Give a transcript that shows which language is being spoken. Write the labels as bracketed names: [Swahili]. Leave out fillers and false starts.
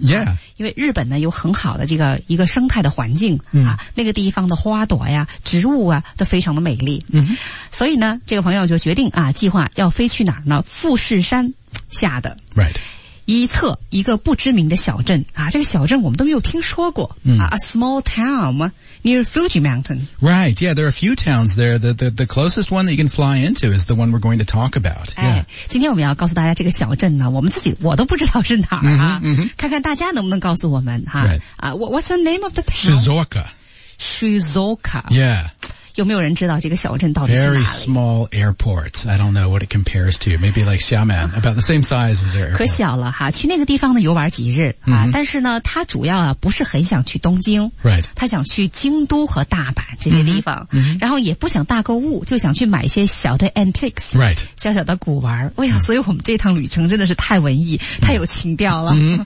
[Chinese] 因为日本呢有很好的这个一个生态的环境、那个地方的花朵呀、植物啊都非常的美丽。所以呢，这个朋友就决定啊，计划要飞去哪儿呢？富士山下的一侧一个不知名的小镇啊，这个小镇我们都没有听说过。 [English] A small town near Fuji Mountain. Right, yeah, there are a few towns there. The closest one that you can fly into is the one we're going to talk about. Yeah. [Chinese] 哎，今天我们要告诉大家这个小镇呢，我都不知道是哪儿啊。看看大家能不能告诉我们哈。 [English] What's the name of the town? Shizuoka. Shizuoka. Yeah. [Chinese] 有没有人知道这个小镇到底是哪里？ [English] Very small airport. I don't know what it compares to. Maybe like Xiamen, about the same size as there. [Chinese] 可小了哈，去那个地方呢游玩几日、但是呢他主要啊不是很想去东京。 [English] Right. [Chinese] 他想去京都和大阪这些地方。然后也不想大购物，就想去买一些小的 antiques. [English] Right. [Chinese] 小小的古玩。哎呀，所以我们这趟旅程真的是太文艺太有情调了。